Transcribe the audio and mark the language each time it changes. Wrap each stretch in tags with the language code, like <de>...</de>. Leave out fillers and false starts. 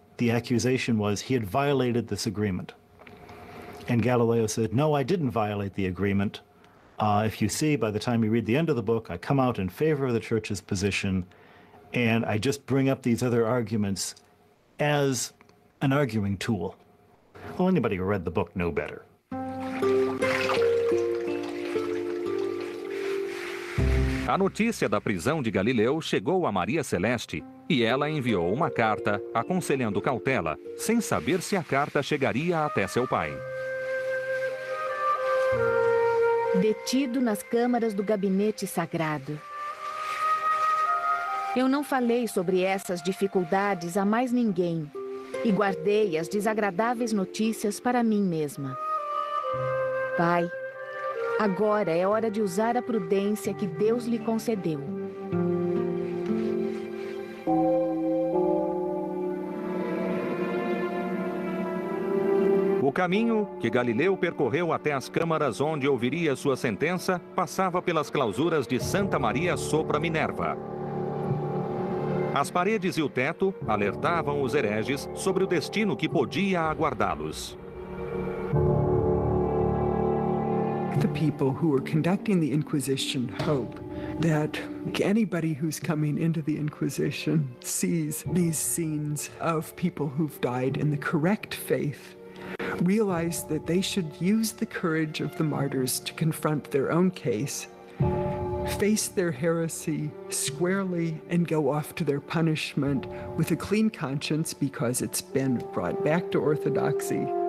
<en>The accusation was he had violated this agreement. And Galileo said, no, I didn't violate the agreement. If you see, by the time you read the end of the book, I come out in favor of the church's position, and I just bring up these other arguments as an arguing tool. Well, anybody who read the book knew better.</en> <pt>A notícia da prisão de Galileu chegou a Maria Celeste, e ela enviou uma carta aconselhando cautela, sem saber se a carta chegaria até seu pai. Detido nas câmaras do gabinete sagrado. Eu não falei sobre essas dificuldades a mais ninguém e guardei as desagradáveis notícias para mim mesma. Pai, agora é hora de usar a prudência que Deus lhe concedeu.</pt> <en>Thank you.</en> <pt>caminho que Galileu percorreu até as câmaras onde ouviria sua sentença passava pelas clausuras de Santa Maria sopra Minerva. As paredes e o teto alertavam os hereges sobre o destino que podia aguardá-los.</pt> <en>The people who were conducting the Inquisition hope that anybody who's coming into the Inquisition sees these scenes of people who've died in the correct faith, realize that they should use the courage of the martyrs to confront their own case, face their heresy squarely, and go off to their punishment with a clean conscience because it's been brought back to orthodoxy.</en>